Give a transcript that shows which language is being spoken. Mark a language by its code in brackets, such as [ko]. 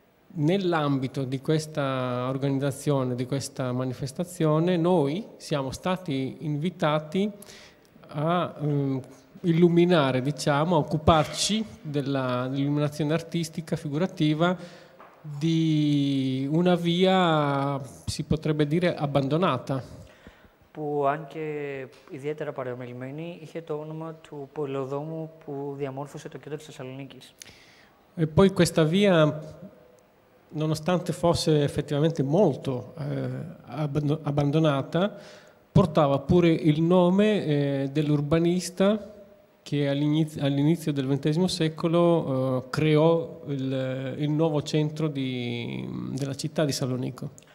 [it] Nell'ambito di questa organizzazione, di questa manifestazione, noi siamo stati invitati a illuminare, diciamo, a occuparci dell'illuminazione artistica, figurativa, di una via, si potrebbe dire, abbandonata. [el] Που anche ιδιαίτερα παραμελημένη, είχε το όνομα του πολεοδόμου που διαμόρφωσε το κέντρο της Θεσσαλονίκης. [it] E poi questa via, nonostante fosse effettivamente molto abbandonata, portava pure il nome dell'urbanista che all'inizio del XX secolo creò il nuovo centro della città di Salonico.